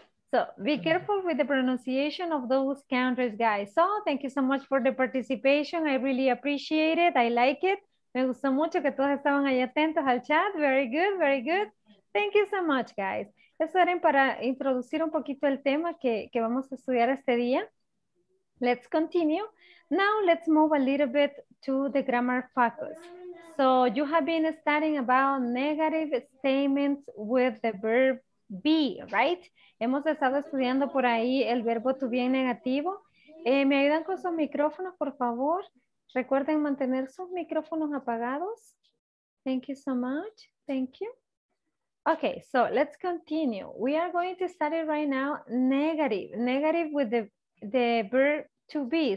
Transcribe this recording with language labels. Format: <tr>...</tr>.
<en>So be careful with the pronunciation of those countries, guys. So thank you so much for the participation. I really appreciate it. I like it.</en> <es>Me gustó mucho que todos estaban ahí atentos al chat.</es> <en>Very good, very good. Thank you so much, guys.</en> <es>Eso era para introducir un poquito el tema que vamos a estudiar este día.</es> <en>Let's continue. Now let's move a little bit to the grammar focus. So you have been studying about negative statements with the verb be, right?</en> <es>Hemos estado estudiando por ahí el verbo to be negativo. ¿Me ayudan con sus micrófonos, por favor? Recuerden mantener sus micrófonos apagados.</es> <en>Thank you so much. Thank you. Okay, so let's continue. We are going to study right now negative. Negative with the verb to be.</en>